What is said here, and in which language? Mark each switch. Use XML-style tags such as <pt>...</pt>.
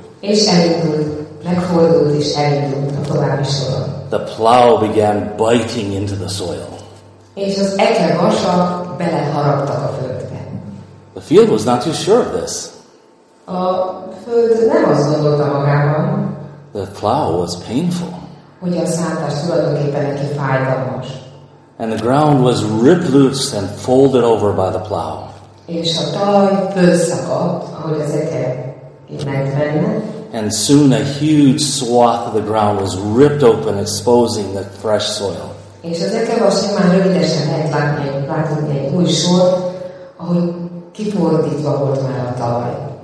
<hu>És elindult, és elindult a további soron.</hu> <en>The plow began biting into the soil.</en> <hu>És az eke vasak beleharaptak a földbe.</hu> <en>The field was not too sure of this.</en> <hu>A föld nem azt gondolta magában.</hu> <en>The plow was painful.</en> <hu>Hogy a szántás tulajdonképpen neki fájdalmas.</hu> <en>And the ground was ripped loose and folded over by the plow.</en> <hu>És a talaj fölszakadt, ahogy az eke ment benne.</hu> <en>And soon a huge swath of the ground was ripped open, exposing the fresh soil.</en> <hu>És az eke vasak már rövidesen lehet látni egy új sor, ahogy kifordítva volt már a talaj.</hu>